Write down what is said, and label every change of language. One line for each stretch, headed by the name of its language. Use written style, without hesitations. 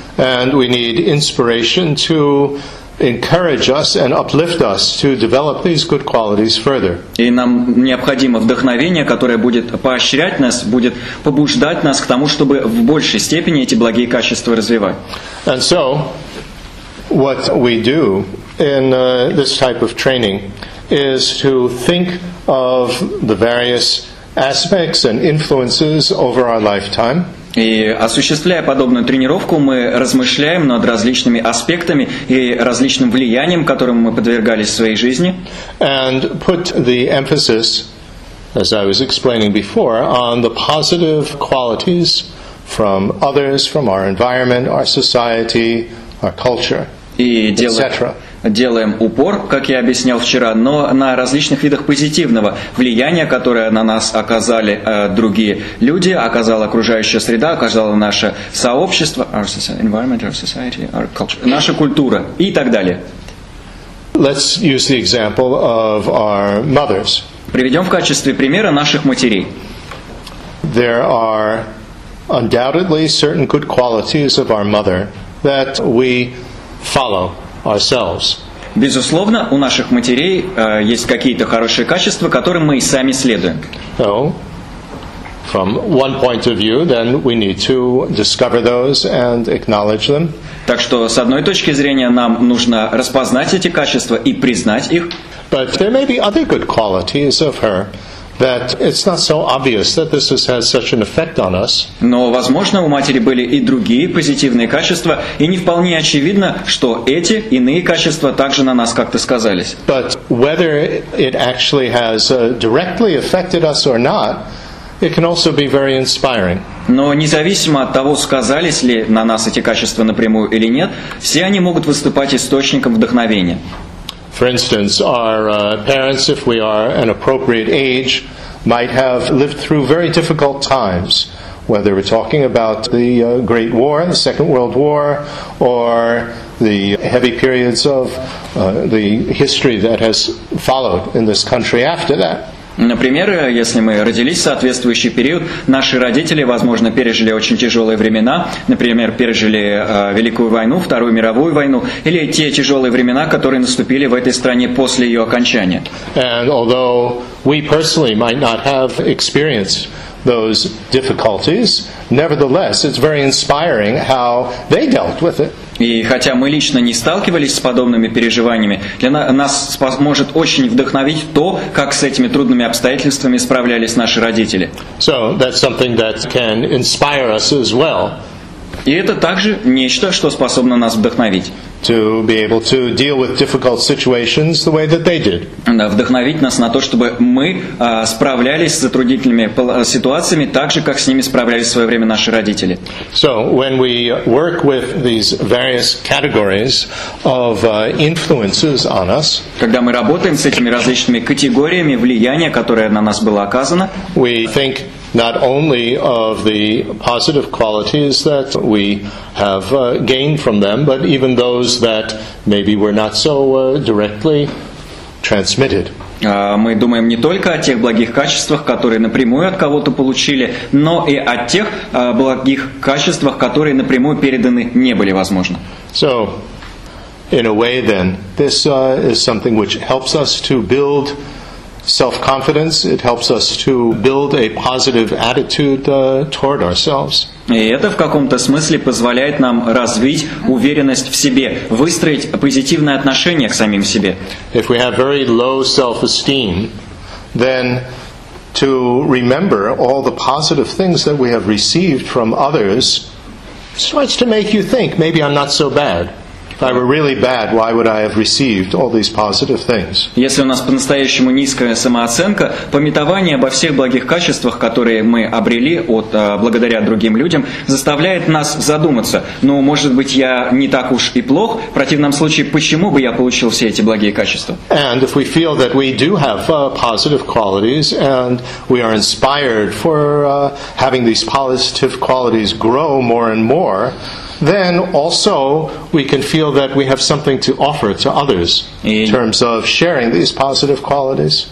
English: And we need inspiration to encourage us and uplift us to develop these good qualities further.
Russian: И нам необходимо вдохновение, которое будет поощрять нас, будет побуждать нас к тому, чтобы в большей степени эти благие качества развивать.
English: And so, what we do in this type of training is to think of the various aspects and influences over our lifetime.
Russian: И осуществляя подобную тренировку, мы размышляем над различными аспектами и различным влиянием, которым мы подвергались в своей жизни.
English: And put the emphasis, as I was explaining before, on the positive qualities from others, from our environment, our society, our culture, etc.
Russian: Делаем упор, как я объяснял вчера, но на различных видах позитивного влияния, которое на нас оказали другие люди, оказала окружающая среда, оказало наше сообщество,
English: our society, environment, our society, our culture,
Russian: наша культура и так далее.
English: Let's use the example of our mothers.
Russian: Приведем в качестве примера наших матерей.
English: There are undoubtedly certain good qualities of our mother that we follow. Ourselves.
Russian: Безусловно, у наших матерей есть какие-то хорошие качества, которым мы и сами следуем.
English: So, from one point of view, then we need to discover those and acknowledge them.
Russian: Так что с одной точки зрения нам нужно распознать эти качества и признать их.
English: But there may be other good qualities of her. That it's not so obvious that this has had such an effect on us.
Russian: Но, возможно, у матери были и другие позитивные качества, и не вполне очевидно, что эти иные качества также на нас как-то сказались.
English: But whether it actually has directly affected us or not, it can also be very inspiring.
Russian: Но независимо от того, сказались ли на нас эти качества напрямую или нет, все они могут выступать источником вдохновения.
English: For instance, our parents, if we are an appropriate age, might have lived through very difficult times, whether we're talking about the Great War, the Second World War, or the heavy periods of the history that has followed in this country after that.
Russian: Например, если мы родились в соответствующий период, наши родители, возможно, пережили очень тяжелые времена, например, пережили Великую войну, Вторую мировую войну, или те тяжелые времена, которые наступили в этой стране после ее окончания.
English: And although we personally might not have experienced those difficulties, nevertheless, it's very inspiring how they dealt with it.
Russian: И хотя мы лично не сталкивались с подобными переживаниями, для нас может очень вдохновить то, как с этими трудными обстоятельствами справлялись наши родители.
English: So that's something that can inspire us as well.
Russian: И это также нечто, что способно нас вдохновить.
English: To be able to deal with difficult situations the way that they did.
Russian: Да, вдохновить нас на то, чтобы мы справлялись с затруднительными ситуациями так же, как с ними справлялись в свое время наши родители.
English: So when we work with these various categories of influences on us,
Russian: когда мы работаем с этими различными категориями влияния, которое на нас было оказано,
English: we think not only of the positive qualities that we have gained from them, but even those that maybe were not so directly transmitted.
Russian: Мы думаем не только о тех благих качествах, которые напрямую от кого-то получили, но и о тех благих качествах, которые напрямую переданы не были, возможно.
English: So, in a way then, this is something which helps us to build self-confidence, it helps us to build a positive attitude toward ourselves.
Russian: И это в каком-то смысле позволяет нам развить уверенность в себе, выстроить позитивное отношение к самим себе.
English: If we have very low self-esteem, then to remember all the positive things that we have received from others starts to make you think, maybe I'm not so bad. If I were really bad, why would I have received all these positive things?
Russian: Если у нас по-настоящему низкая самооценка, памятование обо всех благих качествах, которые мы обрели от благодаря другим людям, заставляет нас задуматься: ну, может быть, я не так уж и плох. В противном случае, почему бы я получил все эти благие качества?
English: And if we feel that we do have positive qualities and we are inspired for having these positive qualities grow more and more, then also we can feel that we have something to offer to others in terms of sharing these positive qualities.